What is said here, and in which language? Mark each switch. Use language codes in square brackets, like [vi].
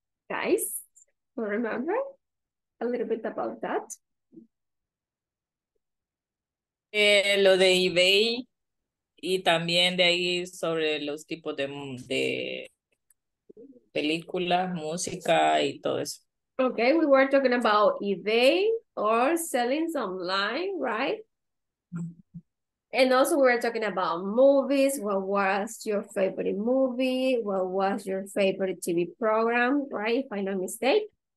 [en] Guys, who remember a little bit about that? [es] Lo de eBay y también de ahí sobre los tipos de películas, música y todo eso. [en] Okay, we were talking about eBay. Or selling online, right? And also we were talking about movies. What was your favorite movie? What was your favorite TV program, right? If I'm not mistaken.